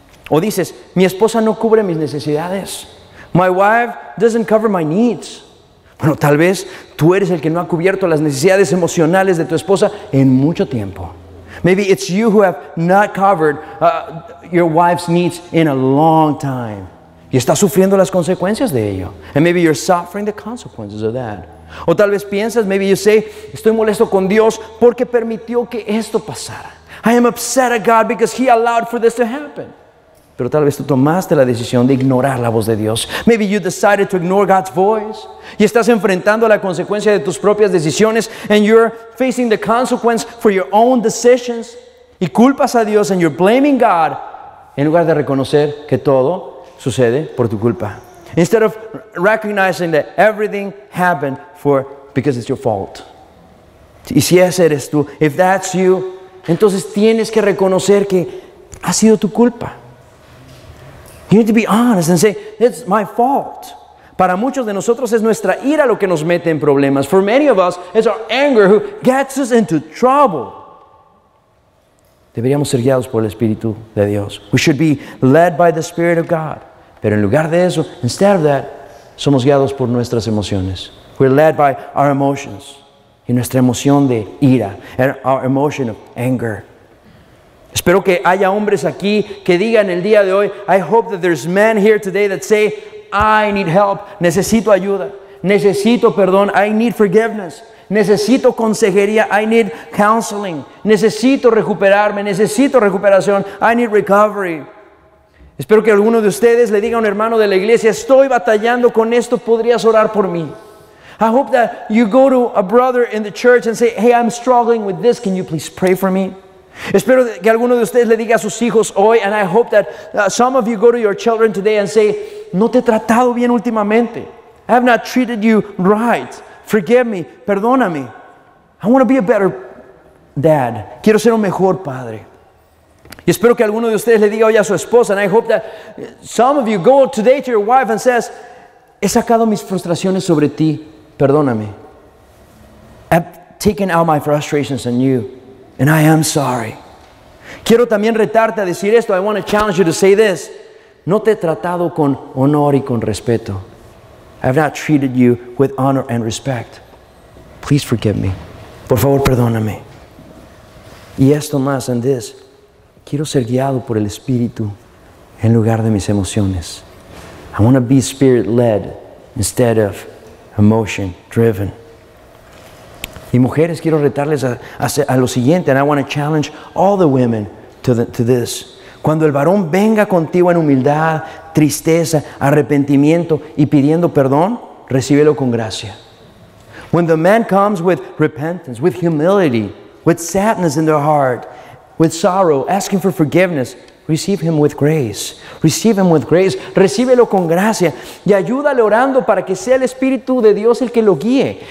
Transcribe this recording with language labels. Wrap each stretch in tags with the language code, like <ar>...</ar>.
<es>O dices, mi esposa no cubre mis necesidades.</es> <en>My wife doesn't cover my needs.</en> <es>Bueno, tal vez tú eres el que no ha cubierto las necesidades emocionales de tu esposa en mucho tiempo.</es> <en>Maybe it's you who have not covered your wife's needs in a long time.</en> <es>Y estás sufriendo las consecuencias de ello.</es> <en>And maybe you're suffering the consequences of that.</en> <es>O tal vez piensas,</es> <en>maybe you say,</en> <es>estoy molesto con Dios porque permitió que esto pasara.</es> <en>I am upset at God because he allowed for this to happen.</en> <es>Pero tal vez tú tomaste la decisión de ignorar la voz de Dios.</es> <en>Maybe you decided to ignore God's voice.</en> <es>Y estás enfrentando la consecuencia de tus propias decisiones.</es> <en>And you're facing the consequence for your own decisions.</en> <es>Y culpas a Dios</es> <en>and you're blaming God.</en> <es>En lugar de reconocer que todo sucede por tu culpa.</es> <en>Instead of recognizing that everything happened because it's your fault.</en> <es>Y si ese eres tú,</es> <en>if that's you,</en> <es>entonces tienes que reconocer que ha sido tu culpa.</es> <en>You need to be honest and say, it's my fault.</en> <es>Para muchos de nosotros es nuestra ira lo que nos mete en problemas.</es> <en>For many of us, it's our anger who gets us into trouble.</en> <es>Deberíamos ser guiados por el Espíritu de Dios.</es> <en>We should be led by the Spirit of God.</en> <es>Pero en lugar de eso,</es> <en>instead of that,</en> <es>somos guiados por nuestras emociones.</es> <en>We're led by our emotions.</en> <es>Y nuestra emoción de ira.</es> <en>And our emotion of anger.</en> <es>Espero que haya hombres aquí que digan el día de hoy,</es> <en>I hope that there's men here today that say, I need help.</en> <es>Necesito ayuda. Necesito perdón.</es> <en>I need forgiveness.</en> <es>Necesito consejería.</es> <en>I need counseling.</en> <es>Necesito recuperarme. Necesito recuperación.</es> <en>I need recovery.</en> <es>Espero que alguno de ustedes le diga a un hermano de la iglesia, estoy batallando con esto, ¿podrías orar por mí?</es> <en>I hope that you go to a brother in the church and say, hey, I'm struggling with this, can you please pray for me?</en> <es>Espero que alguno de ustedes le diga a sus hijos hoy,</es> <en>and I hope that some of you go to your children today and say,</en> <es>no te he tratado bien últimamente.</es> <en>I have not treated you right. Forgive me,</en> <es>perdóname.</es> <en>I want to be a better dad.</en> <es>Quiero ser un mejor padre. Y espero que alguno de ustedes le diga hoy a su esposa,</es> <en>and I hope that some of you go today to your wife and says,</en> <es>he sacado mis frustraciones sobre ti, perdóname.</es> <en>I've taken out my frustrations on you, and I am sorry.</en> <es>Quiero también retarte a decir esto,</es> <en>I want to challenge you to say this.</en> <es>No te he tratado con honor y con respeto.</es> <en>I have not treated you with honor and respect. Please forgive me.</en> <es>Por favor, perdóname. Y esto más,</es> <en>and this.</en> <es>Quiero ser guiado por el Espíritu en lugar de mis emociones.</es> <en>I want to be spirit-led instead of emotion-driven.</en> <es>Y mujeres, quiero retarles a lo siguiente,</es> <en>and I want to challenge all the women to this.</en> <es>Cuando el varón venga contigo en humildad, tristeza, arrepentimiento y pidiendo perdón, recíbelo con gracia.</es> <en>When the man comes with repentance, with humility, with sadness in their heart, with sorrow, asking for forgiveness, receive him with grace. Receive him with grace.</en> <es>Recíbelo con gracia. Y ayúdale orando para que sea el Espíritu de Dios el que lo guíe.</es>